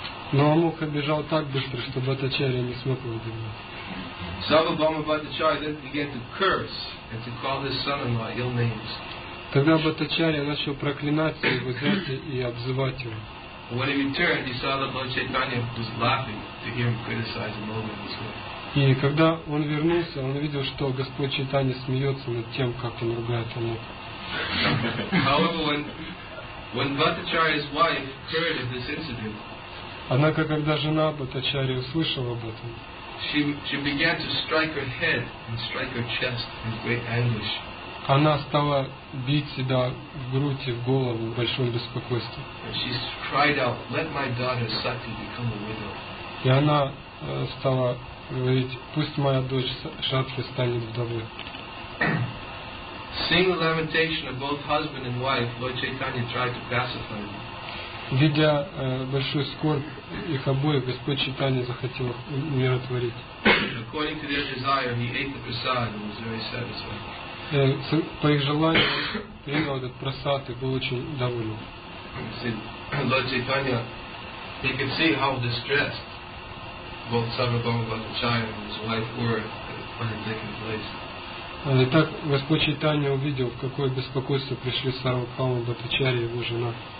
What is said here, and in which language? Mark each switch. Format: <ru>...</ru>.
<ru>Но Амока бежал так быстро, что Бхаттачарья не смог его догнать.</ru> <en>Sarvabhauma Bhattacharya then began to curse and to call his son-in-law ill names.</en> <ru>Тогда Бхаттачарья начал проклинать своего зятя и обзывать его.</ru> <en>When he returned, he saw that Lord Chaitanya was laughing to hear him criticize the Amoka this way.</en> <ru>И когда он вернулся, он увидел, что Господь Чайтанья смеется над тем, как он ругает Амоку.</ru> <en>However, when Bhattacharya's wife heard of this incident,</en> <ru>однако когда жена Бхаттачарьи услышала об этом,</ru> <en>She began to strike her head and strike her chest in great anguish.</en> <ru>Она стала бить себя в грудь и в голову в большом беспокойстве.</ru> <en>And she cried out, "Let my daughter Sati become a widow."</en> <ru>И она стала говорить, пусть моя дочь Шатхи станет вдовой.</ru> <en>Seeing the lamentation of both husband and wife, Lord Chaitanya tried to pacify them.</en> <ru>Видя большую скорбь их обоих, Господь Чайтанья захотел умиротворить. По их желанию, он принял этот просад и был очень доволен.</ru> <en>Lord Chaitanya, he could see how distressed both Sarvabhauma Bhattacharya and his wife were when it taken place.</en> <ru>Итак, Господь Чайтанья увидел, в какое беспокойство пришли Сарвабхауму Бхаттачарья и его жена.</ru>